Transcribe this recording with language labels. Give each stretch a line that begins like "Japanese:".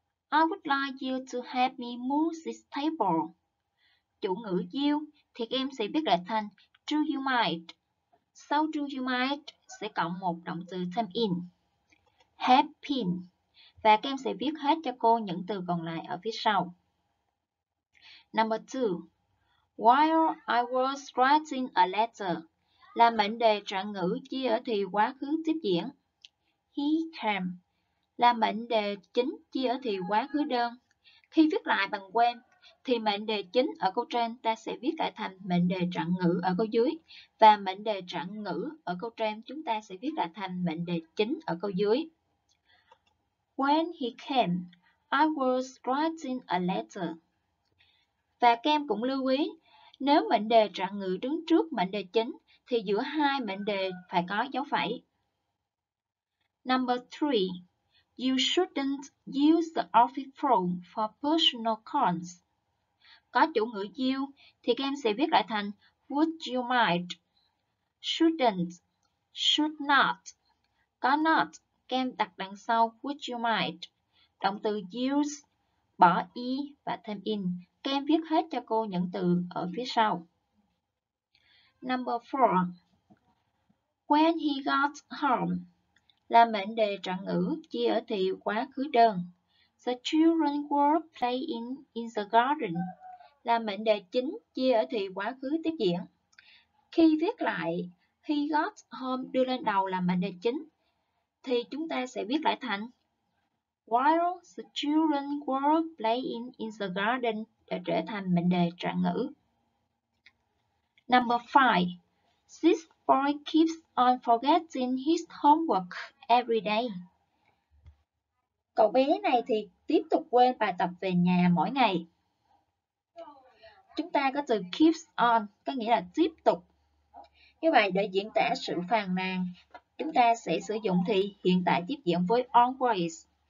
English: I would like you to help me move this table.
Vietnamese: Chủ ngữ you thì các em sẽ biết là thành
English: do you mind.
Vietnamese: Sau
English: do you mind
Vietnamese: sẽ cộng một động từ thêm in.
English: Happy.
Vietnamese: Và các em sẽ viết hết cho cô những từ còn lại ở phía sau.
English: Number 2. While I was writing a letter
Vietnamese: là mệnh đề trạng ngữ chia ở thì quá khứ tiếp diễn.
English: He came
Vietnamese: là mệnh đề chính chia ở thì quá khứ đơn. Khi viết lại bằng quen thì mệnh đề chính ở câu trên ta sẽ viết lại thành mệnh đề trạng ngữ ở câu dưới. Và mệnh đề trạng ngữ ở câu trên chúng ta sẽ viết lại thành mệnh đề chính ở câu dưới.
English: When he came, I was writing a letter.
Vietnamese: Và các em cũng lưu ý, nếu mệnh đề trạng ngữ đứng trước mệnh đề chính thì giữa hai mệnh đề phải có dấu phẩy.
English: Number 3. You shouldn't use the office phone for personal calls.
Vietnamese: Có chủ ngữ you thì các em sẽ viết lại thành
English: would you mind, shouldn't, should not.
Vietnamese: Có not, các em đặt đằng sau
English: would you mind.
Vietnamese: Động từ use, bỏ e và thêm in. Các em viết hết cho cô những từ ở phía sau.
English: Number 4. When he got home
Vietnamese: là mệnh đề trạng ngữ chia ở thì quá khứ đơn.
English: The children were playing in the garden
Vietnamese: là mệnh đề chính chia ở thì quá khứ tiếp diễn. Khi viết lại
English: he got home
Vietnamese: đưa lên đầu là mệnh đề chính thì chúng ta sẽ viết lại thành
English: while the children were playing in the garden
Vietnamese: để trở thành mệnh đề trạng ngữ.
English: Number 5. This boy keeps on forgetting his homework every day.
Vietnamese: Cậu bé này thì tiếp tục quên bài tập về nhà mỗi ngày. Chúng ta có từ keeps on, có nghĩa là tiếp tục. Như vậy, để diễn tả sự phàn nàn, chúng ta sẽ sử dụng thì hiện tại tiếp diễn với always.